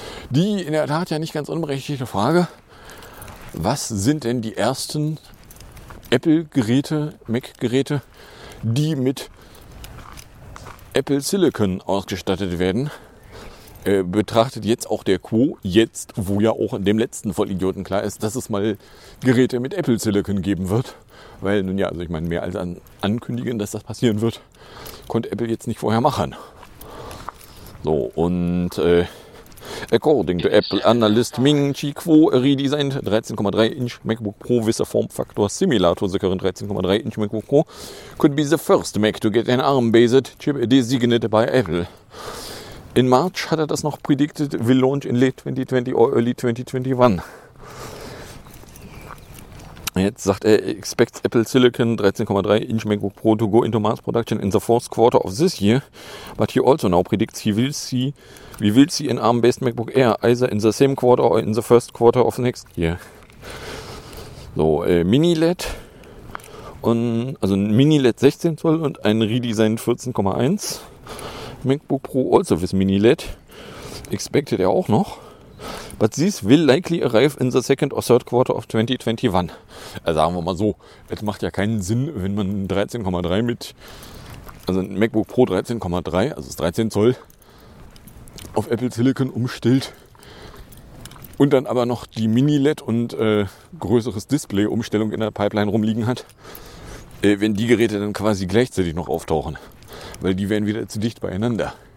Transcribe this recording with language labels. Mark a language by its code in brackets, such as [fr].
[de] Die in der Tat ja nicht ganz unberechtigte Frage. Was sind denn die ersten Apple-Geräte, Mac-Geräte, die mit Apple Silicon ausgestattet werden, betrachtet jetzt auch der Quo, jetzt, wo ja auch dem letzten Vollidioten klar ist, dass es mal Geräte mit Apple Silicon geben wird. Weil, nun ja, also ich meine, mehr als ankündigen, dass das passieren wird, konnte Apple jetzt nicht vorher machen. So, und... [en] According to Apple Analyst Ming-Chi Kuo, redesigned 13,3-inch MacBook Pro with a form factor similar to the current 13,3-inch MacBook Pro, could be the first Mac to get an ARM-based chip designated by Apple. In March [de] hat er das noch [en] predicted, will launch in late 2020 or early 2021. [de] Jetzt sagt er, [en] expects Apple Silicon 13,3 inch MacBook Pro to go into mass production in the fourth quarter of this year, but he also now predicts we will see an ARM-based MacBook Air either in the same quarter or in the first quarter of next year. [de] So, Mini-LED und, also ein Mini-LED 16 Zoll und ein redesigned 14,1 MacBook Pro [en] also with Mini-LED expected [de] er auch noch. [en] But this will likely arrive in the second or third quarter of 2021. [de] Also sagen wir mal so, es macht ja keinen Sinn, wenn man ein 13,3 mit, also ein MacBook Pro 13,3, also das 13 Zoll, auf Apple Silicon umstellt und dann aber noch die Mini-LED und größeres Display-Umstellung in der Pipeline rumliegen hat, wenn die Geräte dann quasi gleichzeitig noch auftauchen, weil die wären wieder zu dicht beieinander.